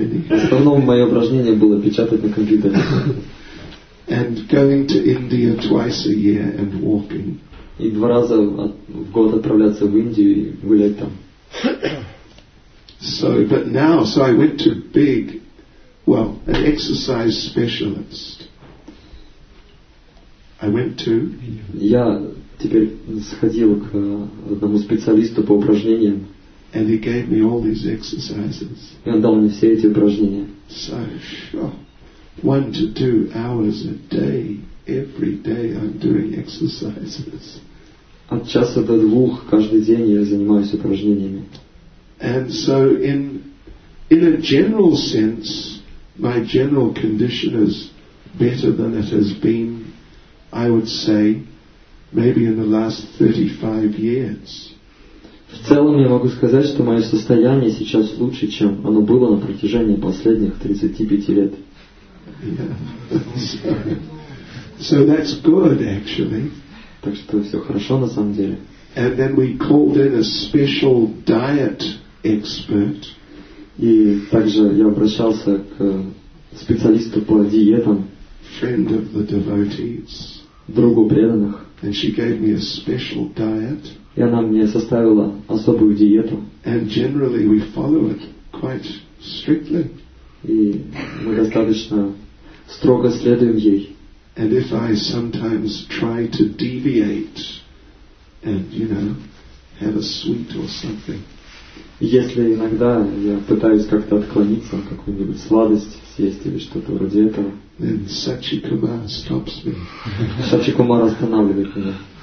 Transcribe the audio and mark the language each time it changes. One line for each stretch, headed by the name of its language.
Russian: Основное мое упражнение было печатать на компьютере.
English: And going to India twice a year and walking.
Russian: И два раза в год отправляться в Индию и гулять там.
English: So, but now, so I went to big, well, an exercise specialist. I went to.
Russian: Я теперь сходил к одному специалисту по упражнениям.
English: And he gave me all these exercises.
Russian: И он дал мне все эти упражнения.
English: So, sure. 1 to 2 hours a day, every day I'm doing exercises.
Russian: От часа до двух каждый день я занимаюсь упражнениями.
English: And so, in a general sense, my general condition is better than it has been, I would say, maybe in the last 35 years.
Russian: В целом я могу сказать, что мое состояние сейчас лучше, чем оно было на протяжении последних 35 лет.
English: Yeah. So that's good, actually.
Russian: Так что все хорошо на самом деле.
English: And then we called in a special diet expert.
Russian: И также я обращался к специалисту по диетам.
English: Friend of the devotees.
Russian: Другу преданных.
English: And she gave me a special diet.
Russian: И она мне составила особую диету.
English: And generally we follow it quite strictly.
Russian: И мы достаточно строго следуем ей.
English: And if I sometimes try to deviate and, you know, have a sweet or something.
Russian: Если иногда я пытаюсь как-то отклониться, какую-нибудь сладость съесть или что-то вроде этого,
English: then Sachi Kumar stops me.
Russian: Сачи Кумар останавливает меня.